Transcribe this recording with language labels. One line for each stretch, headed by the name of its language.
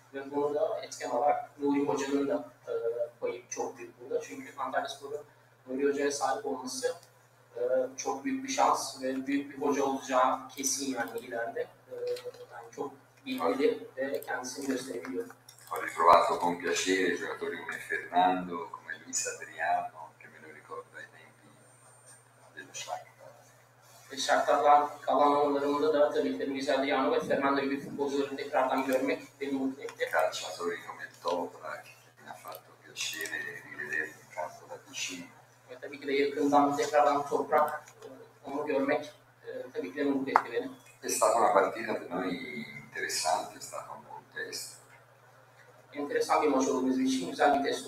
Turkish: Ve bunu da etken olarak Nuri Hoca'nın da payı çok büyük burada. Çünkü Antalyaspor'un Nuri Hoca'ya sahip olması çok büyük bir şans ve büyük bir hoca olacağı kesin yani ileride. Yani çok bilgili ve kendisini gösterebiliyor.
Italian: Ho ritrovato con piacere giocatori come Fernando, come Luis Adriano, che me lo ricordo ai tempi dello Shakhtar.
Turkish: Shakhtar'dan kalan onlarımda da tabii ki Luis Adriano ve Fernando gibi futbolcuları tekrardan görmek beni mutlu etti.
Italian: Calciatori come Toprak, che mi ha fatto piacere rivedere in campo da vicino.
Turkish: Tabii ki de yakından tekrardan Toprak onu görmek tabii ki de mutlu etti beni.
Italian: È stata una partita per noi interessante, è stato un buon test. Interessante il nostro mese vicino, sai di test